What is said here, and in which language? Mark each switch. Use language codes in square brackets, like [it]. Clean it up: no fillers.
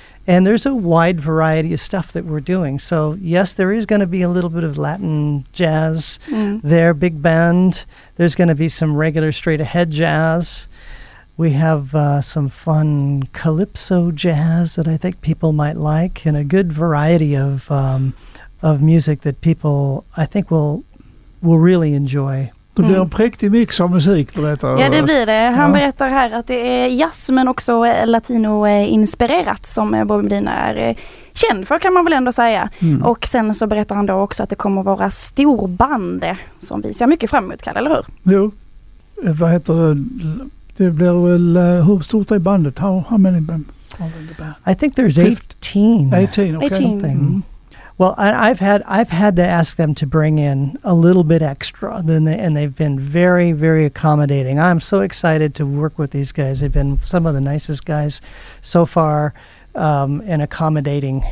[en] And there's a wide variety of stuff that we're doing. So, yes, there is going to be a little bit of Latin jazz there, big band. There's going to be some regular straight-ahead jazz. We have some fun calypso jazz that I think people might like, and a good variety of music that people, I think, will really enjoy. [sv] Det blir en präktig mix av musik, berättar. Ja, det blir det. Han berättar här att det är jazz men också latino-inspirerat som Bobby Medina är känd för, kan man väl ändå säga. Mm. Och sen så berättar han då också att det kommer vara storband som vi ser mycket fram emot, Kalle, eller hur? Jo. Vad heter det? Det blir väl, hur stort är bandet? [en] How many band? I think there's 18. 18, okay. 18. Mm-hmm. Well, I've had to ask them to bring in a little bit extra, and they've been very, very accommodating. I'm so excited to work with these guys. They've been some of the nicest guys so far, and accommodating.